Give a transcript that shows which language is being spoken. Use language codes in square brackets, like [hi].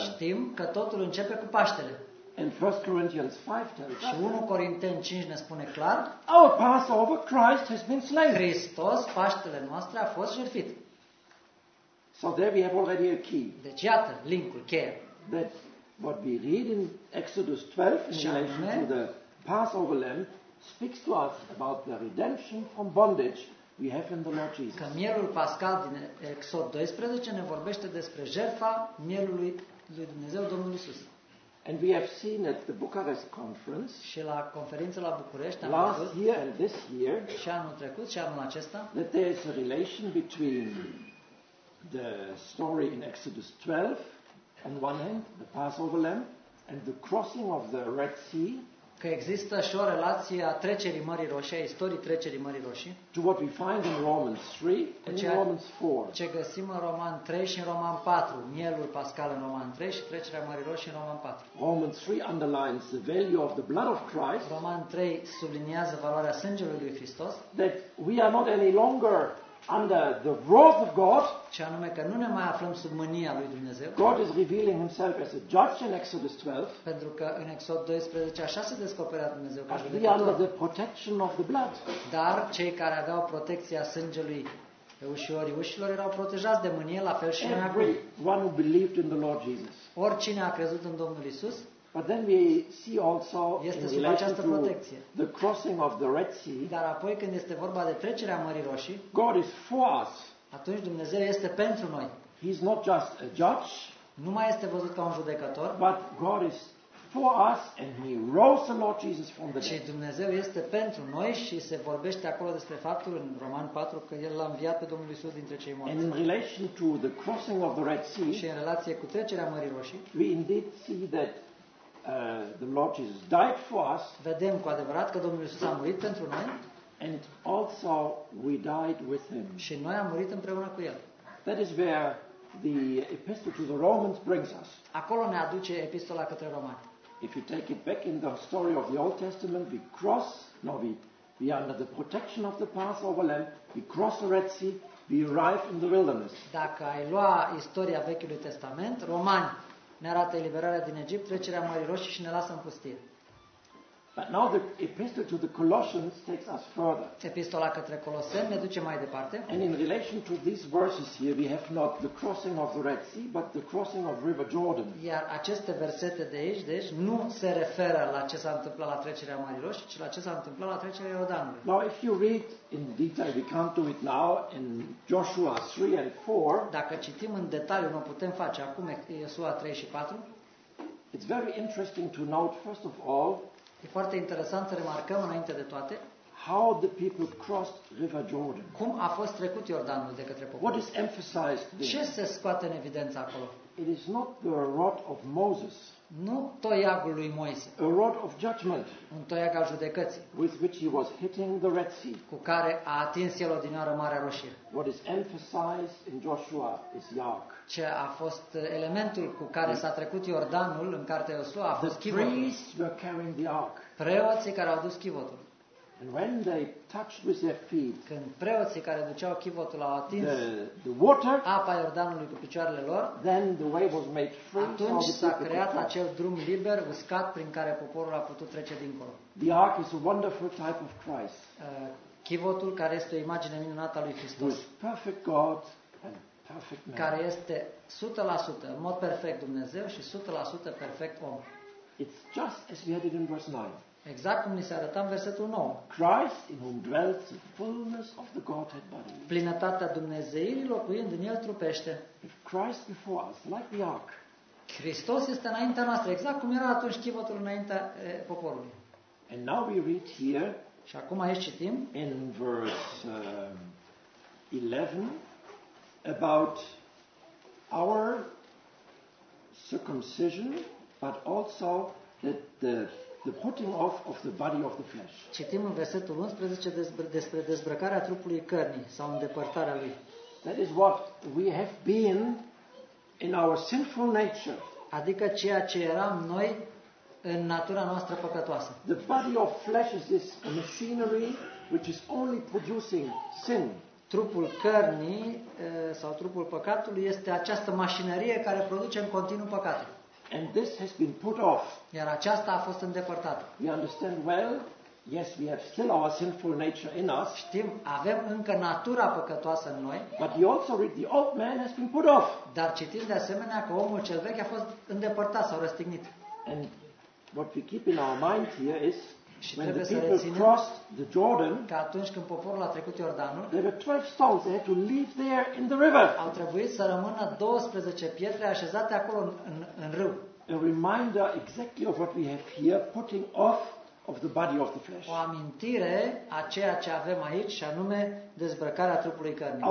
[ro] Știm că totul începe cu Paștele. [en] And 1 Corinthians 5 tells us. [ro] Și 1 Corinteni 5 ne spune clar. [en] Our Passover, Christ has been slain. [ro] Hristos, Paștele noastre, a fost jertfit. [en] So there we have already a key. [ro] Deci iată, linkul, cheia. [en] That what we read in Exodus 12 in relation to the Passover lamb speaks to us about the redemption from bondage we have in the Lord Jesus. [ro] Că mielul pascal din Exod 12 ne vorbește despre jertfa mielului lui Dumnezeu, Domnul Iisus. [en] And we have seen at the Bucharest conference. [ro] Și la conferința la București am [en] last [ro] văzut, [en] year and this year. [ro] Și anul trecut și anul acesta. [en] That there is a relation between the story in Exodus 12 on one hand, the Passover lamb, and the crossing of the Red Sea. [ro] Că există și o relație a trecerii Mării Roșii, a istoriei trecerii Mării Roșii. [en] To what we find in Romans 3 and in Romans 4. [ro] Ce găsim în Roman 3 și în Roman 4. Mielul pascal în Roman 3 și trecerea Mării Roșii în Roman 4. [en] Romans 3 underlines the value of the blood of Christ. [ro] Roman 3 subliniază valoarea sângelui lui Hristos. [en] That we are not any longer under the wrath of God. [ro] Ce anume că nu ne mai aflăm sub mânia lui Dumnezeu. [en] God is revealing himself as a judge in Exodus 12. [ro] Pentru că în Exod 12 așa se descoperă Dumnezeu ca judecător. [en] We are under the protection of the blood. [ro] Dar cei care aveau protecția sângelui pe ușorii ușilor erau protejați de mânie, la fel și noi acum. [en] Everyone who believed in the Lord Jesus. [ro] Oricine a crezut în Domnul Iisus. [en] But then we see also [ro] este sub această protecție. [en] The crossing of the Red Sea. [ro] Dar apoi când este vorba de trecerea Mării Roșii, [en] God is for us. [ro] Atunci Dumnezeu este pentru noi. [en] He is not just a judge. [ro] Nu mai este văzut ca un judecător. [en] But God is for us and he rose the Lord Jesus from the dead. [ro] Și Dumnezeu este pentru noi și se vorbește acolo despre faptul în Roman 4 că el l-a înviat pe Domnul Iisus dintre cei morți. [en] And in relation to the crossing of the Red Sea. [ro] Și în relație cu trecerea Mării Roșii, [en] we indeed see that the Lord Jesus died for us. [ro] Vedem cu adevărat că Domnul Iisus a murit pentru noi. [en] And also we died with him. [ro] Și noi am murit împreună cu el. [en] That is where the epistle to the Romans brings us. [ro] Acolo ne aduce epistola către Romani. [en] If you take it back in the story of the Old Testament, we cross, no, we are under the protection of the Passover lamb, we cross the Red Sea, we arrive in the wilderness. [ro] Dacă ai lua istoria Vechiului Testament, Romani ne arată eliberarea din Egipt, trecerea Mării Roșii și ne lasă în pustie. [en] But now the epistle to the Colossians takes us further. [ro] Epistola către Coloseni ne duce mai departe. [en] And in relation to these verses here, we have not the crossing of the Red Sea, but the crossing of River Jordan. [ro] Iar aceste versete de aici, deci, nu se referă la ce s-a întâmplat la trecerea Marii Roșii, ci la ce s-a întâmplat la trecerea Iordanului. [en] Now, if you read in detail, we can't do it now, in Joshua 3 and 4. [ro] Dacă citim în detaliu, nu putem face acum Iosua 3 și 4. [en] It's very interesting to note, first of all. [ro] E foarte interesant să remarcăm înainte de toate [en] how the people crossed River Jordan. [ro] Cum a fost trecut Iordanul de către popor? [en] What is emphasized there? [ro] Ce se scoate în evidență acolo? [en] It is not the rod of Moses. [ro] Nu toiagul lui Moise. [en] A rod of judgment. [ro] Un toiag al judecății. [en] With which he was hitting the Red Sea. [ro] Cu care a atins el odinioară Marea Roșie. [en] What is emphasized in Joshua is Yark. [ro] Ce a fost elementul cu care s-a trecut Iordanul în cartea Iosua a fost chivotul. [en] The priests were carrying the ark. [ro] Preoții care au dus chivotul. [en] And when they touched with their feet, [ro] când preoții care duceau chivotul au atins [en] the water, [ro] apa Iordanului cu picioarele lor, [en] then the way was made free. [ro] Atunci s-a creat acel drum liber, uscat, prin care poporul a putut trece dincolo. [en] The ark is a wonderful type of Christ. [ro] Chivotul care este o imagine minunată a lui Hristos. [en] Perfect God and perfect man. [ro] Care este 100% în mod perfect Dumnezeu și 100% perfect om. [en] It's just as we had it in verse 9. [ro] Exact cum ni se arăta în versetul 9. [en] Christ in whom dwells the fullness of the Godhead bodily. [ro] Plinătatea Dumnezeirii locuind în el trupește. [en] Christ before us, like the ark. [ro] Hristos este înaintea noastră, exact cum era atunci chivotul înaintea poporului. [en] And now we read here. [ro] Și acum aici citim [en] in verse 11 about our circumcision, but also that the putting off of the body of the flesh. [ro] Citim în versetul 11 despre dezbrăcarea trupului cărnii sau îndepărtarea lui. [en] That is what we have been in our sinful nature. [ro] Adică ceea ce eram noi în natura noastră păcătoasă. [en] The body of flesh is this machinery which is only producing sin. [ro] Trupul cărnii sau trupul păcatului este această mașinărie care produce în continuu păcate. [en] And this has been put off. [ro] Iar aceasta a fost îndepărtată. [en] We understand well. Yes, we have still our sinful nature in us. [ro] Știm, avem încă natura păcătoasă în noi. [en] But you also read the old man has been put off. [ro] Dar citim de asemenea că omul cel vechi a fost îndepărtat sau răstignit. [en] And what we keep in our mind here is when the [ro] să [en] people crossed the Jordan, [ro] că atunci când poporul a trecut Iordanul, [en] there were 12 stones they had to leave there in the river. [ro] Au trebuit să rămână 12 pietre așezate acolo în râu. [en] A reminder exactly of what we have here, putting off of the body of the flesh. [ro] O amintire a ceea ce avem aici, și anume dezbrăcarea trupului cărnii.